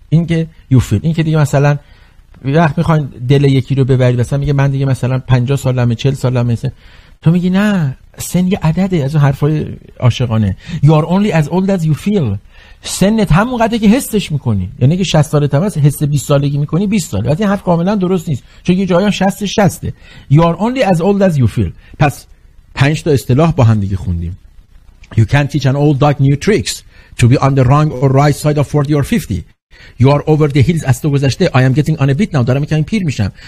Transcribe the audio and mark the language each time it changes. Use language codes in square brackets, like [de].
[fa] این که [en] you feel، [fa] این که دیگه مثلا وقت میخواین دل یکی رو ببرید، مثلا میگه من دیگه مثلا 50 سالمه 40 سالمه، مثلا تو میگی نه سن یه عدده، از اون حرفای عاشقانه. [en] you are only as old as your feel، [fa] سنت همون قدره که حسش میکنی، یعنی که 60 سالت هم هست حس 20 سالگی میکنی 20 ساله، ولی حرف کاملا درست نیست چون یه جایی هم 60 60 [en] you are only as old as you feel. [fa] پس 5 تا اصطلاح با هم دیگه خوندیم. [en] You can't teach an old dog new tricks. To be on the wrong or right side of 40 or 50. You are over the hills، [fa] از تو گذشته. [en] I am getting on a bit now، [fa] دارم یکم پیر میشم.